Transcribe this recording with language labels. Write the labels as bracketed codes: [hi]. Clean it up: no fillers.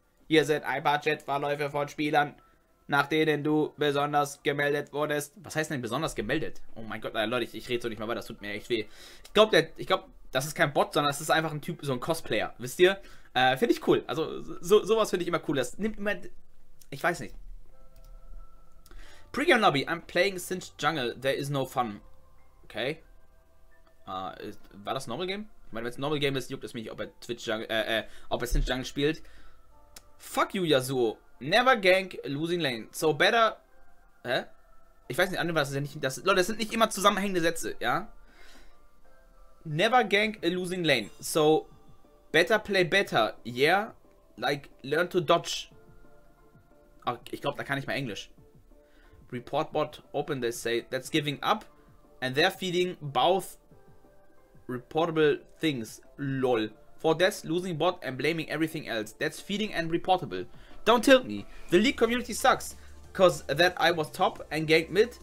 [de] Hier sind ein paar Chatverläufe von Spielern, nach denen du besonders gemeldet wurdest. Was heißt denn besonders gemeldet? Oh mein Gott, Leute, ich rede so nicht mehr weiter, das tut mir echt weh. Ich glaube, das ist kein Bot, sondern das ist einfach ein Typ, so ein Cosplayer. Wisst ihr? Finde ich cool. Also, sowas finde ich immer cool. Das nimmt immer. Ich weiß nicht. [en] Pregame Lobby, I'm playing Singed Jungle. There is no fun. Okay. [de] War das Normal Game? Ich meine, wenn es Normal Game ist, juckt es mich, ob er Twitch Jungle, ob er Singed Jungle spielt. [en] Fuck you, Yasuo. Never gank losing lane. So better. Hä? [de] Ich weiß nicht, was ist ja nicht. Leute, das sind nicht immer zusammenhängende Sätze, ja? [en] Never gank a losing lane. So better play better. Yeah? Like learn to dodge. [de] Okay, ich glaube, da kann ich mal Englisch. [en] Report bot open, they say. That's giving up. And they're feeding both reportable things. Lol. For death, losing bot and blaming everything else. That's feeding and reportable. Don't tilt me. The League community sucks. Cause that I was top and ganked mid.